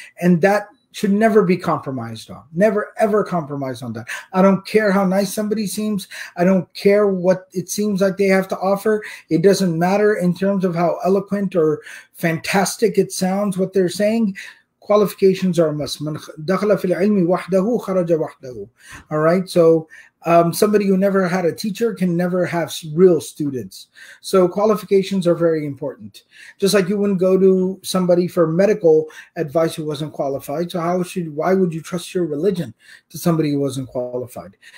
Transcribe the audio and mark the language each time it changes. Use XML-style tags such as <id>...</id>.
<en>And that should never be compromised on. Never, ever compromised on that. I don't care how nice somebody seems. I don't care what it seems like they have to offer. It doesn't matter in terms of how eloquent or fantastic it sounds what they're saying. Qualifications are a must.</en> <ar>من دخل في العلم وحده خرج وحده.</ar> <en>All right. So somebody who never had a teacher can never have real students. So qualifications are very important. Just like you wouldn't go to somebody for medical advice who wasn't qualified. So why would you trust your religion to somebody who wasn't qualified?</en>